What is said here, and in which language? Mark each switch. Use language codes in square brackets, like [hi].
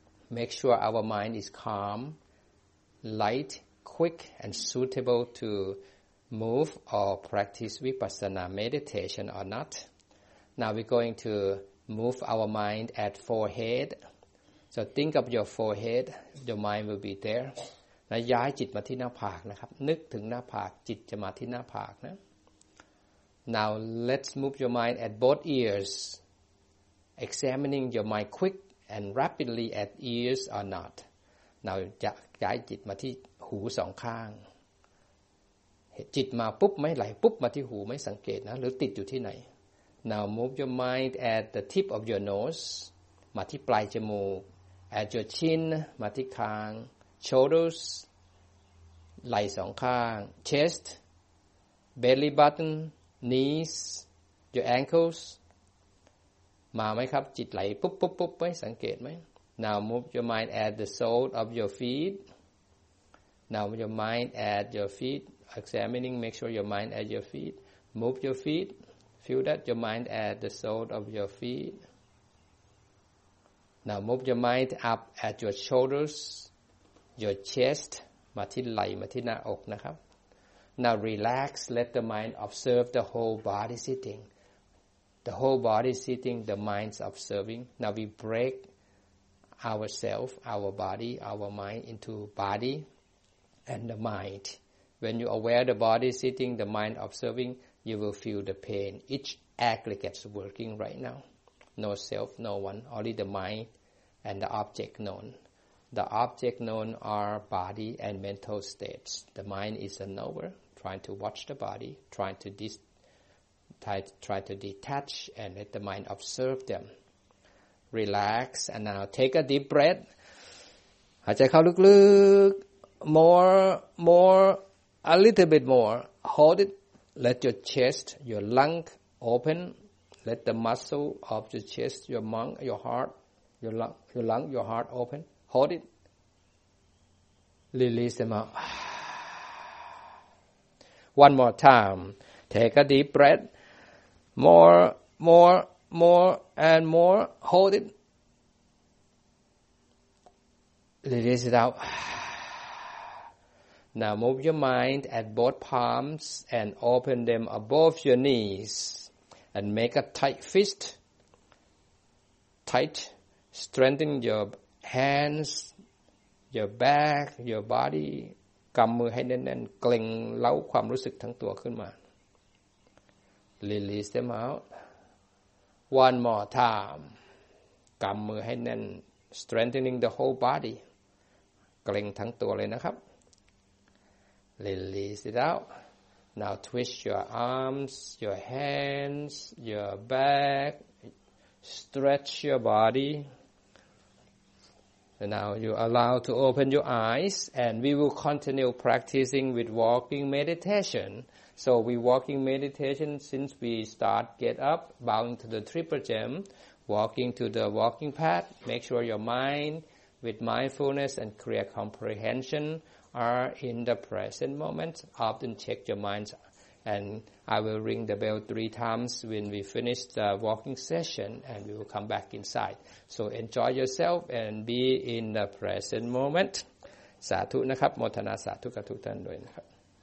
[en] Make sure our mind is calm, light, quick, and suitable to move or practice Vipassana meditation or not. Now we're going to move our mind at forehead. So think of your forehead. Your mind will be there. [th] Now, ย้ายจิตมาที่หน้าผากนะครับ นึกถึงหน้าผาก จิตจะมาที่หน้าผากนะ [en] Now, let's move your mind at both ears. Examining your mind quick and rapidly at ears or not. [th] Now, จะย้ายจิตมาที่หูสองข้าง จิตมาปุ๊บไม่ไหลปุ๊บมาที่หูไม่สังเกตนะหรือติดอยู่ที่ไหน [en] Now, move your mind at the tip of your nose. [th] มาที่ปลายจมูก [en] At your chin, [th] มาที่คาง [en] Shoulders, [th] ไหล่สองข้าง [en] chest, belly button, knees, your ankles. [th] มาไหมครับจิตไหลปุ๊บปุ๊บปุ๊บไหมสังเกตไหม [en] Now move your mind at the sole of your feet. Now move your mind at your feet. Examining, make sure your mind at your feet. Move your feet. Feel that your mind at the sole of your feet. Now move your mind up at your shoulders. Your chest, [th] มาที่ไหล่มาที่หน้าอกนะครับ [en] Now relax, let the mind observe the whole body sitting. The whole body sitting, the mind's observing. Now we break ourselves, our body, our mind into body and the mind. When you aware the body sitting, the mind observing, you will feel the pain. Each aggregate's working right now. No self, no one, only the mind and the object known. The object known are body and mental states. The mind is a knower, trying to watch the body, trying to detach and let the mind observe them. Relax and now take a deep breath. [th] หายใจเข้าลึกๆ [en] more, a little bit more. Hold it. Let your chest, your lung open. Let the muscle of your chest, your heart open. Hold it. Release them out. One more time. Take a deep breath. More, and more. Hold it. Release it out. Now move your mind at both palms and open them above your knees. And make a tight fist. Tight. Strengthen your hands. Your back, your body, [th] กำมือให้แน่นๆเกร็งเล้าความรู้สึกทั้งตัวขึ้นมา [en] Release them out. One more time. [th] กำมือให้แน่น [en] Strengthening the whole body. [th] เกร็งทั้งตัวเลยนะครับ [en] Release it out. Now twist your arms, your hands, your back. Stretch your body. Now you allow to open your eyes, and we will continue practicing with walking meditation. So we walking meditation since we start get up, bowing to the triple gem, walking to the walking path. Make sure your mind with mindfulness and clear comprehension are in the present moment. Often check your mind, and I will ring the bell 3 times when we finish the walking session, and we will come back inside. So enjoy yourself and be in the present moment. [th] สาธุนะครับ โมทนาสาธุกับทุกท่านด้วยนะครับ